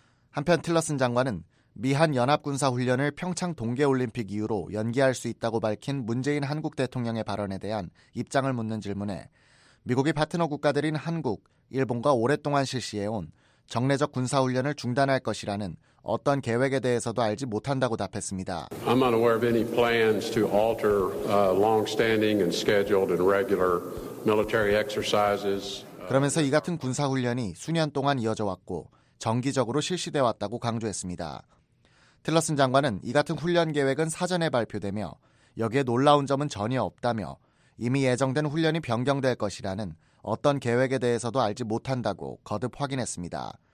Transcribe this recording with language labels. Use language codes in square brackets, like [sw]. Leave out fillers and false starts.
[ko] 한편 틸러슨 장관은 미한 연합군사 훈련을 평창 동계올림픽 이후로 연기할 수 있다고 밝힌 문재인 한국 대통령의 발언에 대한 입장을 묻는 질문에 미국이 파트너 국가들인 한국, 일본과 오랫동안 실시해온 정례적 군사 훈련을 중단할 것이라는 어떤 계획에 대해서도 알지 못한다고 답했습니다. [en] I'm unaware of any plans to alter long-standing and scheduled and regular military exercises. [ko] 그러면서 이 같은 군사 훈련이 수년 동안 이어져 왔고 정기적으로 실시돼 왔다고 강조했습니다. 틸러슨 장관은 이 같은 훈련 계획은 사전에 발표되며 여기에 놀라운 점은 전혀 없다며 이미 예정된 훈련이 변경될 것이라는 어떤 계획에 대해서도 알지 못한다고 거듭 확인했습니다.